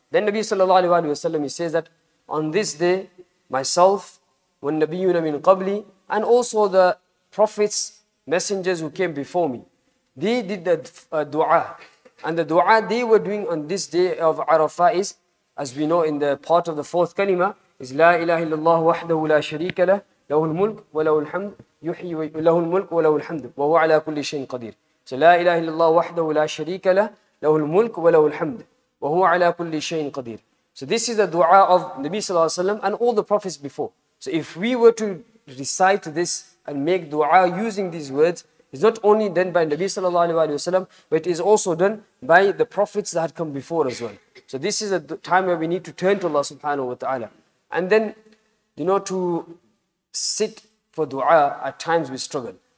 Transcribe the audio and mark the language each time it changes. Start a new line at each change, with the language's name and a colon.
English: Then Nabi sallallahu alayhi wa sallam, he says that on this day, myself, when
Arabic: nabiyuna min qabli,
English: and also the prophets, messengers who came before me, they did the du'a. And the du'a they were doing on this day of Arafah is, as we know in the part of the fourth kalima, is
Arabic: La ilaha illallah wahdahu la sharika lah. لَهُ الْمُلْكُ وَلَهُ الْحَمْدُ يُحْيِي وَلَهُ الْمُلْكُ وَلَهُ الْحَمْدُ وَهُوَ عَلَى كُلِّ شَيْءٍ قَدِيرٌ.
English: So
Arabic: لا إله إلا الله وحده لا شريك له له الملك وله الحمد وهو على كل شيء قدير.
English: So this is the dua of Nabi sallallahu alaihi wasallam and all the prophets before. So if we were to recite this and make dua using these words, it's not only done by Nabi sallallahu alaihi wasallam, but it is also done by the prophets that had come before as well. So this is a time where we need to turn to Allah subhanahu wa ta'ala. And then, you know, to sit for dua, at times we struggle.